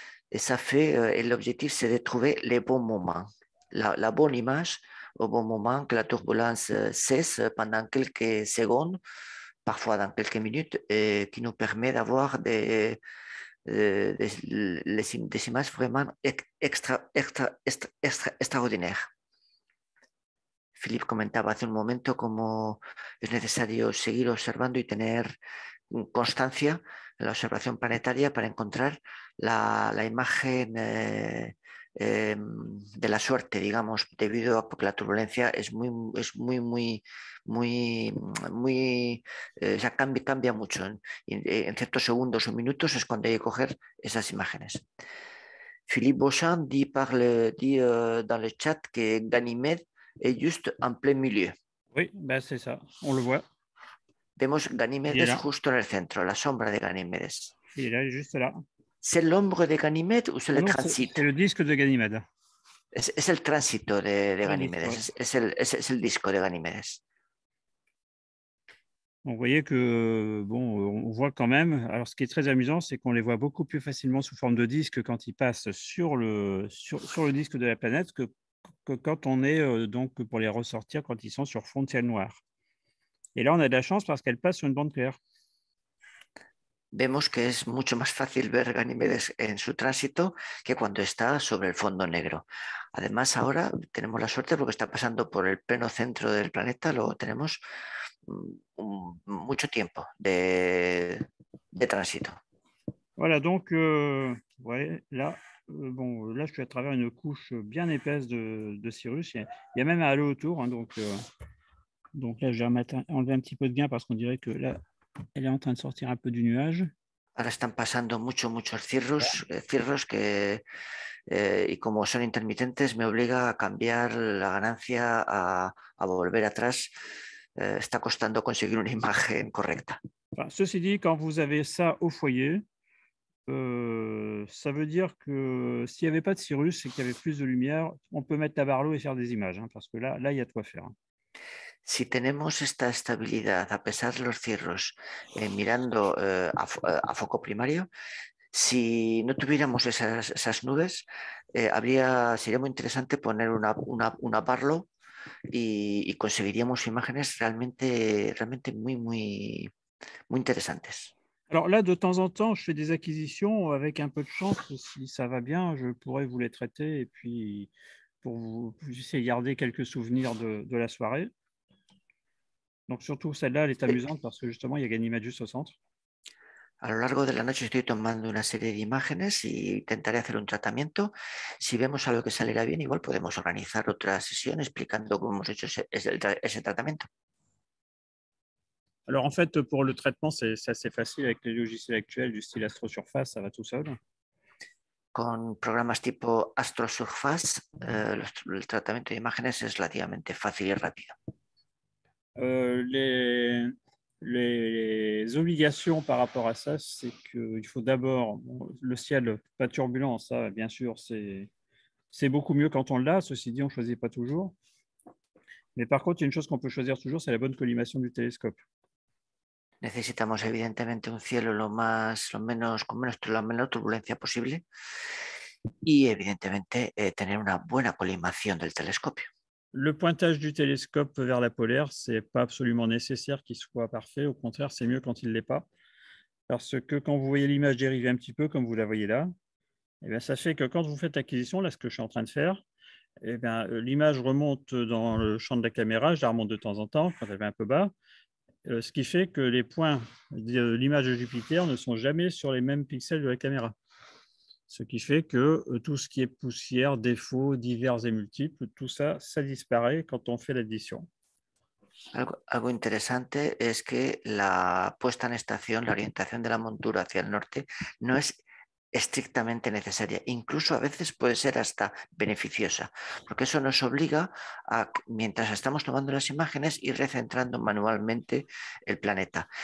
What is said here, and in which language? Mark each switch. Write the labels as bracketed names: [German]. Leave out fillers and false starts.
[French] et ça fait et l'objectif c'est de trouver les bons moments, la bonne image au bon moment que la turbulence cesse pendant quelques secondes, parfois dans quelques minutes, et qui nous permet d'avoir des images vraiment extraordinaires. [Spanish] Philippe comentaba hace un momento cómo es necesario seguir observando y tener constancia en la observación planetaria para encontrar la imagen de la suerte, digamos, debido a que la turbulencia es muy, muy, muy, muy, o sea, cambia mucho. En ciertos segundos o minutos es cuando hay que coger esas imágenes. [French] Philippe Beauchamp dit dans le chat que Ganymède est juste en plein milieu. Oui, ben c'est ça, on le voit. [Spanish] Vemos Ganymède juste en el centro, la sombra de Ganymède. [French] Il est juste là. C'est l'ombre de Ganymède ou c'est le transit? C'est le disque de Ganymède. C'est le transit de Ganymède. C'est le disque de Ganymède. Vous voyez que, bon, on voit quand même. Alors, ce qui est très amusant, c'est qu'on les voit beaucoup plus facilement sous forme de disque quand ils passent sur le disque de la planète que quand on est, donc, pour les ressortir quand ils sont sur fond de ciel noir. Et là, on a de la chance parce qu'elles passent sur une bande claire. [Spanish] Vemos que es mucho más fácil ver Ganymede en su tránsito que cuando está sobre el fondo negro. Además, ahora tenemos la suerte porque está pasando por el pleno centro del planeta, luego tenemos mucho tiempo de tránsito. [French] Voilà, donc, ouais, là, bon, là, je suis à travers une couche bien épaisse de cirrus. Il y a même un halo autour, hein, donc là, j'ai enlevé un petit peu de gain parce qu'on dirait que là, elle est en train de sortir un peu du nuage. [Spanish] Ahora están pasando mucho, mucho cirrus que y como son intermitentes me obliga a cambiar la ganancia a volver atrás. Está costando conseguir una imagen correcta. [French] Enfin, ceci dit, quand vous avez ça au foyer, ça veut dire que s'il n'y avait pas de cirrus et qu'il y avait plus de lumière, on peut mettre la barre à l'eau et faire des images, hein, parce que là, il y a de quoi faire. Hein. [Spanish] Si tenemos esta estabilidad, a pesar de los cirrus, mirando a foco primario, si no tuviéramos esas nubes, sería muy interesante poner una Barlow y conseguiríamos imágenes realmente, realmente muy, muy, muy interesantes. [French] Alors là, de temps en temps, je fais des acquisitions. Avec un peu de chance, si ça va bien, je pourrais vous les traiter et puis pour vous essayer de garder quelques souvenirs de la soirée. Donc surtout celle-là, elle est amusante parce que justement, il y a Ganymède juste au centre. [Spanish] A lo largo de la noche estoy tomando una serie de imágenes y intentaré hacer un tratamiento. Si vemos algo que saliera bien, igual podemos organizar otra sesión explicando cómo hemos hecho ese tratamiento. [French] Alors, en fait, pour le traitement, c'est assez facile avec les logiciels actuels du style AstroSurface, ça va tout seul. [Spanish] Con programas tipo AstroSurface, el tratamiento de imágenes es relativamente fácil y rápido. [French] Les obligations par rapport à ça, c'est qu'il faut d'abord le ciel pas turbulent, ça, bien sûr, c'est beaucoup mieux quand on l'a. Ceci dit, on ne choisit pas toujours. Mais par contre, il y a une chose qu'on peut choisir toujours, c'est la bonne collimation du télescope. [Spanish] Necesitamos evidentemente un cielo lo menos turbulencia posible y evidentemente tener una buena colimación del telescopio. [French] Le pointage du télescope vers la polaire, ce n'est pas absolument nécessaire qu'il soit parfait. Au contraire, c'est mieux quand il ne l'est pas. Parce que quand vous voyez l'image dériver un petit peu, comme vous la voyez là, eh bien, sachez que quand vous faites l'acquisition, là, ce que je suis en train de faire, eh bien, l'image remonte dans le champ de la caméra. Je la remonte de temps en temps, quand elle est un peu bas. Ce qui fait que les points de l'image de Jupiter ne sont jamais sur les mêmes pixels de la caméra. Ce qui fait que tout ce qui est poussière, défauts, divers et multiples, tout ça disparaît quand on fait l'addition. [Spanish] Algo interesante es que la puesta en estación, la orientación de la montura hacia el norte, no es estrictamente necesaria. Incluso a veces puede ser hasta beneficiosa, porque eso nos obliga a, mientras estamos tomando las imágenes, ir recentrando manualmente el planeta.